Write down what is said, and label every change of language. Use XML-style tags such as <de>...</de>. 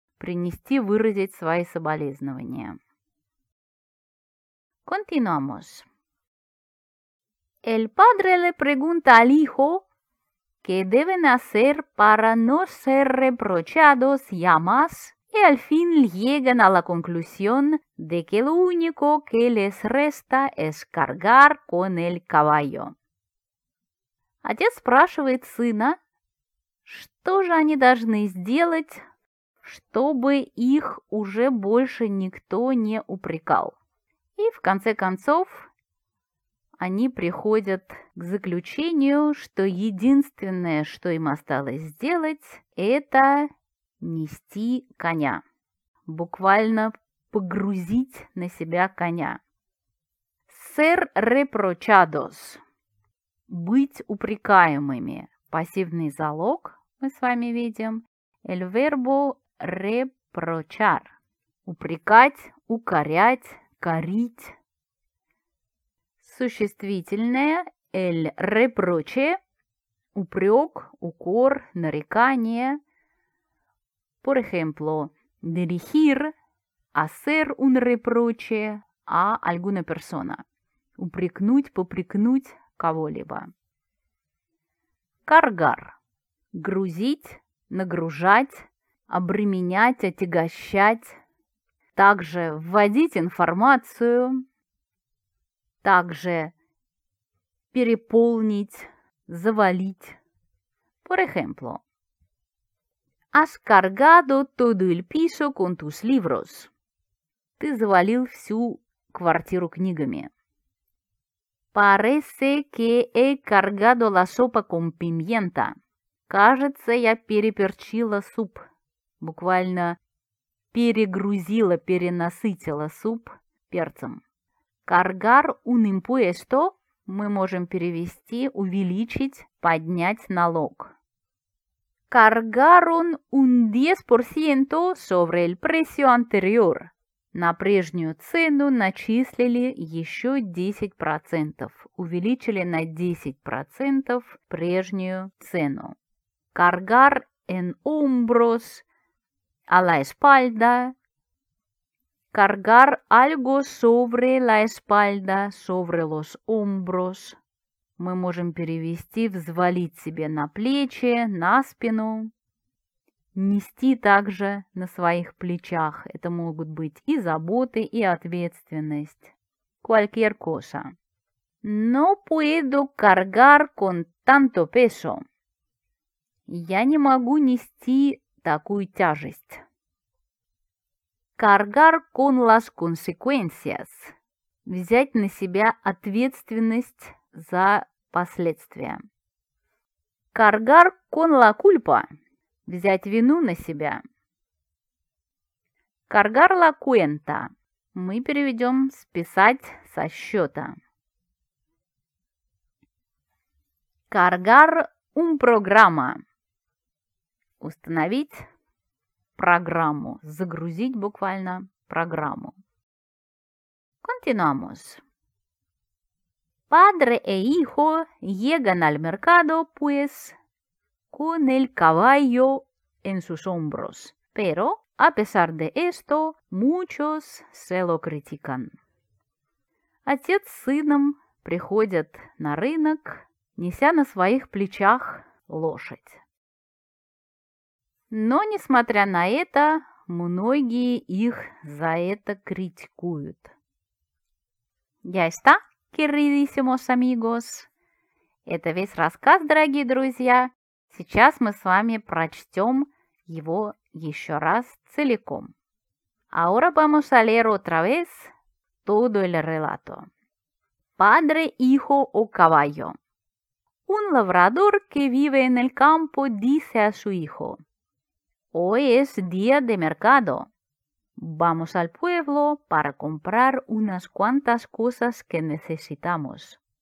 <ru>Принести, выразить свои соболезнования.</ru> <es>Continuamos. El padre le pregunta al hijo qué deben hacer para no ser reprochados ya más y al fin llegan a la conclusión de que lo único que les resta es cargar con el caballo.</es> <ru>Отец спрашивает сына, что же они должны сделать, чтобы их уже больше никто не упрекал. И в конце концов они приходят к заключению, что единственное, что им осталось сделать, это нести коня. Буквально погрузить на себя коня.</ru> <es>Ser reprochados.</es> <ru>Быть упрекаемыми. Пассивный залог мы с вами видим.</ru> <es>El verbo</es> <ru>репрочар – упрекать, укорять, корить. Существительное – el reproche – упрек, укор, нарекание.</ru> <es>Por ejemplo, dirigir – hacer un reproche a alguna persona –</es> <ru>упрекнуть, попрекнуть кого-либо.</ru> <es>Cargar</es> <ru>– грузить, нагружать, обременять, отягощать, также вводить информацию, также переполнить, завалить.</ru> <es>Por ejemplo, has cargado todo el piso con tus libros.</es> <ru>Ты завалил всю квартиру книгами.</ru> <es>Parece que he cargado la sopa con pimienta.</es> <ru>Кажется, я переперчила суп. Буквально перегрузила, перенасытила суп перцем.</ru> <es>Cargar un impuesto</es> <ru>мы можем перевести, увеличить, поднять налог.</ru> <es>Cargaron un 10% sobre el precio anterior.</es> <ru>На прежнюю цену начислили еще 10%. Увеличили на 10% прежнюю цену.</ru> <es>Cargar en hombros, a la espalda. Cargar algo sobre la espalda, sobre los hombros.</es> <ru>Мы можем перевести, взвалить себе на плечи, на спину. Нести также на своих плечах. Это могут быть и заботы, и ответственность.</ru> <es>Cualquier cosa. No puedo cargar con tanto peso.</es> <ru>Я не могу нести такую тяжесть.</ru> <es>Cargar con las consecuencias.</es> <ru>Взять на себя ответственность за последствия.</ru> <es>Cargar con la culpa.</es> <ru>Взять вину на себя.</ru> <es>Cargar la cuenta.</es> <ru>Мы переведем списать со счета.</ru> <es>Cargar un programa.</es> <ru>Установить программу. Загрузить буквально программу.</ru> <es>Continuamos. Padre e hijo llegan al mercado, pues, con el caballo en sus hombros. Pero, a pesar de esto, muchos se lo critican.</es> <ru>Отец с сыном приходят на рынок, неся на своих плечах лошадь. Но, несмотря на это, многие их за это критикуют.</ru> <es>Ya está, queridísimos amigos.</es> <ru>Это весь рассказ, дорогие друзья. Сейчас мы с вами прочтем его еще раз целиком.</ru> <es>Ahora vamos a leer otra vez todo el relato. Padre, hijo o caballo. Un labrador que vive en el campo dice a su hijo: Hoy es día de mercado. Vamos al pueblo para comprar unas cuantas cosas que necesitamos.</es>